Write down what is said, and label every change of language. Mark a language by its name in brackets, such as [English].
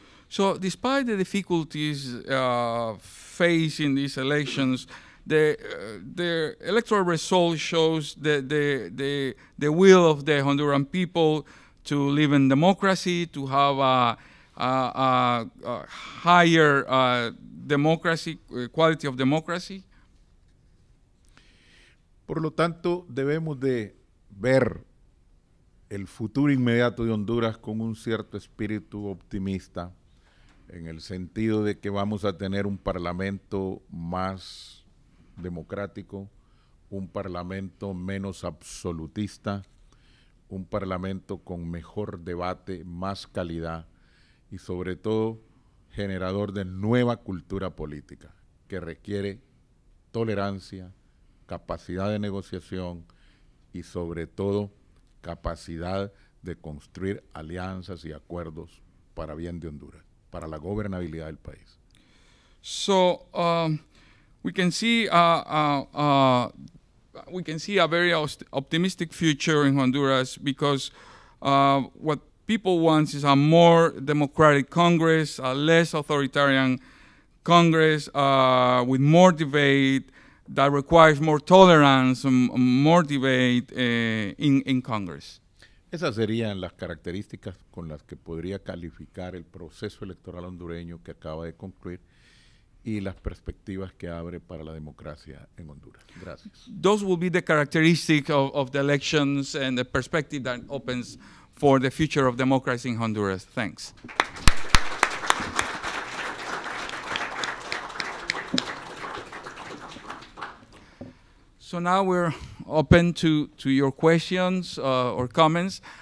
[English] So, despite the difficulties facing these elections, the electoral result shows the will of the Honduran people to live in democracy, to have a higher democracy, quality of democracy. [Spanish] Por lo tanto, debemos de ver el futuro inmediato de Honduras con un cierto espíritu optimista, en el sentido de que vamos a tener un parlamento más democrático, un parlamento menos absolutista, un parlamento con mejor debate, más calidad y sobre todo generador de nueva cultura política que requiere tolerancia, capacidad de negociación y sobre todo capacidad de construir alianzas y acuerdos para bien de Honduras, para la gobernabilidad del país. [English] So we can see a very optimistic future in Honduras because what people want is a more democratic Congress, a less authoritarian Congress with more debate that requires more tolerance, more debate in Congress. [Spanish] Esas serían las características con las que podría calificar el proceso electoral hondureño que acaba de concluir y las perspectivas que abre para la democracia en Honduras. Gracias. [English] Those will be the characteristics of the elections and the perspective that opens for the future of democracy in Honduras. Thanks. So now we're open to your questions or comments.